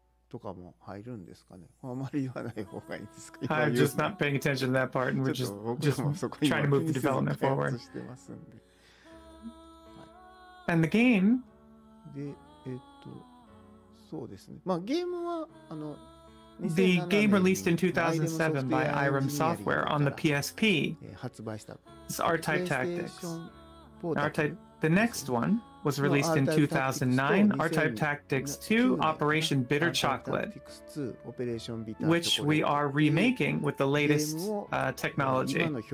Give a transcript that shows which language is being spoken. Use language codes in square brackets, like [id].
[ja] とかも入るんですかね。あまり言わない方がいいですか。 [en] I'm just not paying attention to that part, and we're just trying to move the development forward. And the game? [ja] で、そうですね。まあゲームはあの [en] The game released in 2007 by Irem Software on the PSP. It's R-Type Tactics. The next one was released in 2009, R-Type Tactics 2, Operation Bitter Chocolate, which we are remaking with the latest technology.